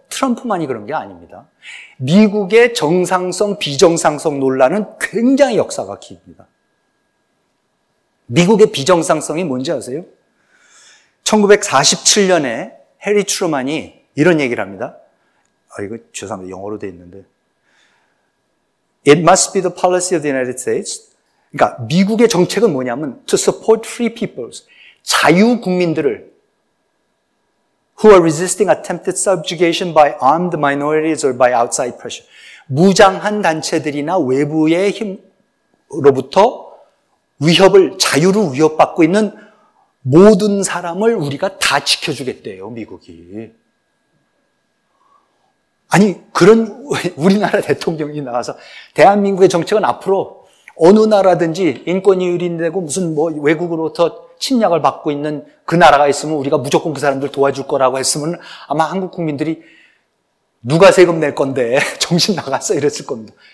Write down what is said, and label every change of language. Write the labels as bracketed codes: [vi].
[ko] 트럼프만이 그런 게 아닙니다. 미국의 정상성, 비정상성 논란은 굉장히 역사가 깁니다. 미국의 비정상성이 뭔지 아세요? 1947년에 해리 트루먼이 이런 얘기를 합니다. 아, 이거 죄송합니다. 영어로 돼 있는데. [en] It must be the policy of the United States. [ko] 그러니까 미국의 정책은 뭐냐면 [en] to support free peoples, [ko] 자유 국민들을 [en] who are resisting attempted subjugation by armed minorities or by outside pressure. [ko] 무장한 단체들이나 외부의 힘으로부터 위협을, 자유를 위협받고 있는 모든 사람을 우리가 다 지켜주겠대요, 미국이. 아니, 그런 우리나라 대통령이 나와서 대한민국의 정책은 앞으로 어느 나라든지 인권이 유린되고 무슨 뭐 외국으로부터 침략을 받고 있는 그 나라가 있으면 우리가 무조건 그 사람들 도와줄 거라고 했으면 아마 한국 국민들이 누가 세금 낼 건데 정신 나갔어 이랬을 겁니다.